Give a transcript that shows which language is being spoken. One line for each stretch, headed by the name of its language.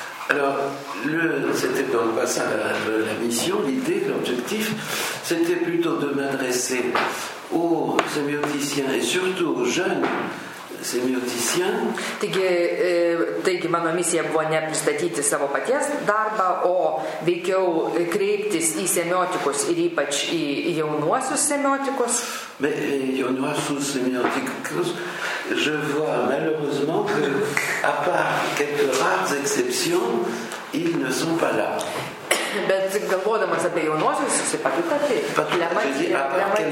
French: Alors, c'était donc pas ça la mission, l'idée, l'objectif, c'était plutôt de m'adresser aux sémioticiens et surtout aux jeunes sémioticiens.
Lithuanian: Taigi, mano misija buvo ne pristatyti savo paties darbą, o veikiau kreiptis į semiotikus ir ypač į jaunuosius semiotikus.
French: Mais
Lithuanian: jaunuosius semiotikus,
French: je vois malheureusement que, à part quelques rares exceptions, ils ne sont pas là.
Lithuanian: Bet galvodamas apie jaunuosius, jis pat yra taip.